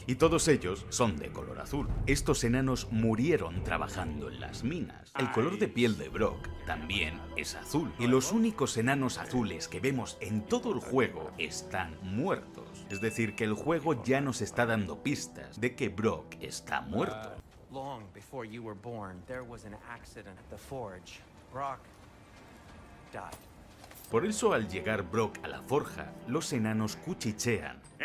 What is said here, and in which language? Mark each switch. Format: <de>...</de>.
<es>Y todos ellos son de color azul. Estos enanos murieron trabajando en las minas. El color de piel de Brock también es azul. Y los únicos enanos azules que vemos en todo el juego están muertos. Es decir, que el juego ya nos está dando pistas de que Brock está muerto.</es> <en>Long before you were born, there was an accident at the forge. Brock died.</en> <es>Por eso, al llegar Brock a la forja, los enanos cuchichean.</es>